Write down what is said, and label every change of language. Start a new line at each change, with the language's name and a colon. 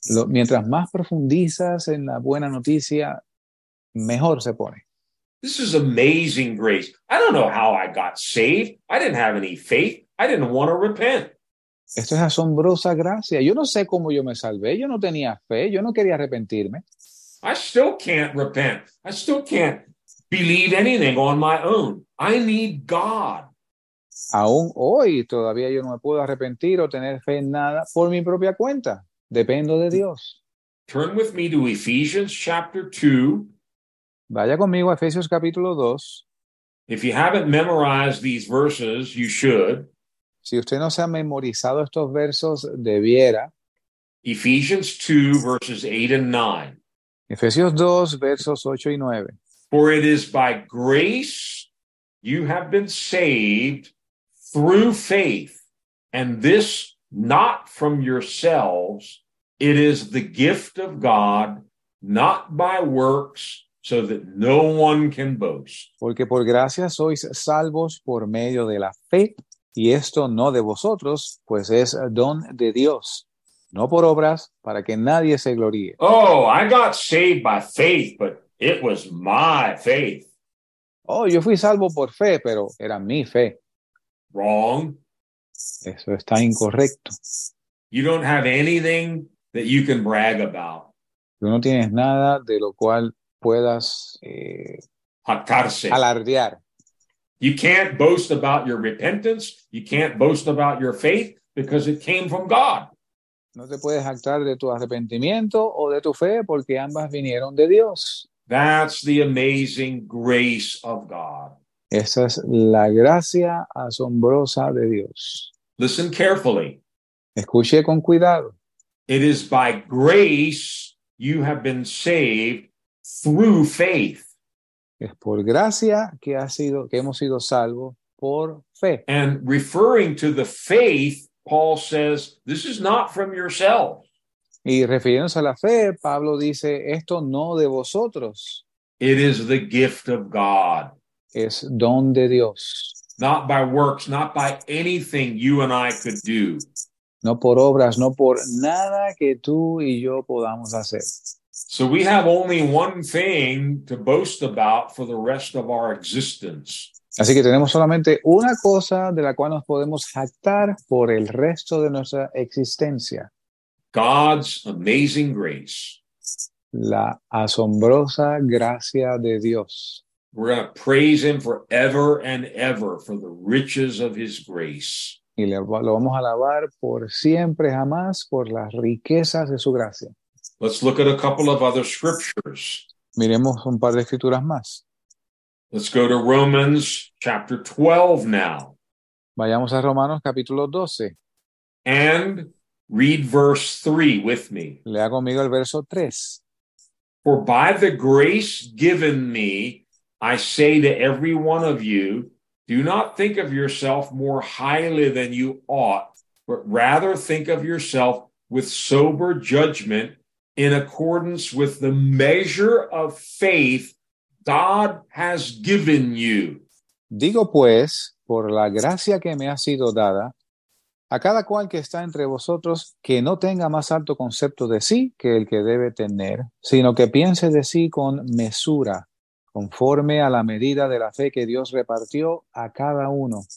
Spanish: Mientras más profundizas en la buena noticia, mejor se pone.
English: This is amazing grace. I don't know how I got saved. I didn't have any faith. I didn't want to repent.
Spanish: Esto es asombrosa gracia. Yo no sé cómo yo me salvé. Yo no tenía fe. Yo no quería arrepentirme.
English: I still can't repent. I still can't believe anything on my own. I need God.
Spanish: Aún hoy todavía yo no me puedo arrepentir o tener fe en nada por mi propia cuenta. Dependo de Dios.
English: Turn with me to Ephesians chapter 2.
Spanish: Vaya conmigo a Efesios capítulo 2.
English: If you haven't memorized these verses, you should.
Spanish: Si usted no se ha memorizado estos versos, debiera.
English: Ephesians 2, verses 8 and 9.
Spanish: Efesios 2, versos 8 y 9.
English: For it is by grace you have been saved through faith, and this not from yourselves, it is the gift of God, not by works, so that no one can boast.
Spanish: Porque por gracia sois salvos por medio de la fe, y esto no de vosotros, pues es don de Dios, no por obras, para que nadie se gloríe.
English: Oh, I got saved by faith, but it was my faith.
Spanish: Oh, yo fui salvo por fe, pero era mi fe.
English: Wrong.
Spanish: Eso está incorrecto.
English: You don't have anything that you can brag about.
Spanish: Tú no tienes nada de lo cual puedas jactarse. Alardear.
English: You can't boast about your repentance. You can't boast about your faith because it came from God.
Spanish: No te puedes jactar de tu arrepentimiento o de tu fe porque ambas vinieron de Dios.
English: That's the amazing grace of God.
Spanish: Esa es la gracia asombrosa de Dios.
English: Listen carefully.
Spanish: Escuche con cuidado.
English: It is by grace you have been saved through faith.
Spanish: Es por gracia que ha sido que hemos sido salvos por fe.
English: And referring to the faith, Paul says, this is not from yourself.
Spanish: Y refiriéndose a la fe, Pablo dice, esto no de vosotros.
English: It is the gift of God.
Spanish: Es don de Dios.
English: Not by works, not by anything you and I could do.
Spanish: No por obras, no por nada que tú y yo podamos hacer.
English: So we have only one thing to boast about for the rest of our existence.
Spanish: Así que tenemos solamente una cosa de la cual nos podemos jactar por el resto de nuestra existencia.
English: God's amazing grace.
Spanish: La asombrosa gracia de Dios.
English: We're going to praise him forever and ever for the riches of his grace.
Spanish: Y lo vamos a alabar por siempre jamás por las riquezas de su gracia.
English: Let's look at a couple of other scriptures.
Spanish: Miremos un par de escrituras más.
English: Let's go to Romans chapter 12 now.
Spanish: Vayamos a Romanos capítulo 12.
English: And read verse 3 with me.
Spanish: Lea conmigo el verso 3.
English: For by the grace given me, I say to every one of you, do not think of yourself more highly than you ought, but rather think of yourself with sober judgment in accordance with the measure of faith God has given you.
Spanish: Digo pues, por la gracia que me ha sido dada, a cada cual que está entre vosotros, que no tenga más alto concepto de sí que el que debe tener, sino que piense de sí con mesura, conforme a la medida de la fe que Dios repartió a cada uno.